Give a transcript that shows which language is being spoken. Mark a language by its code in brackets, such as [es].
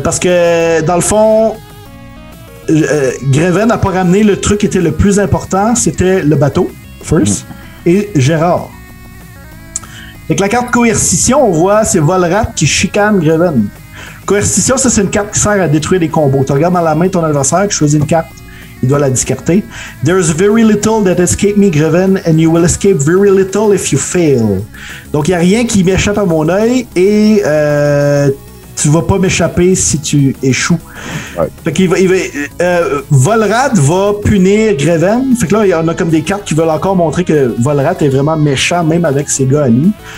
[fr] Parce que, dans le fond, Greven n'a pas ramené le truc qui était le plus important, c'était le bateau, et Gérard. Avec la carte coercition, on voit, c'est Volrat qui chicane Greven. Coercition, ça, c'est une carte qui sert à détruire des combos. Tu regardes dans la main de ton adversaire, tu choisis une carte, il doit la discarter. [en] There's very little that escaped me, Greven, and you will escape very little if you fail. [fr] Donc, il n'y a rien qui m'échappe à mon œil et tu ne vas pas m'échapper si tu échoues. Ouais. Fait qu'il Volrat va punir Greven. Fait que là, il y en a comme des cartes qui veulent encore montrer que Volrat est vraiment méchant, même avec ses gars à lui.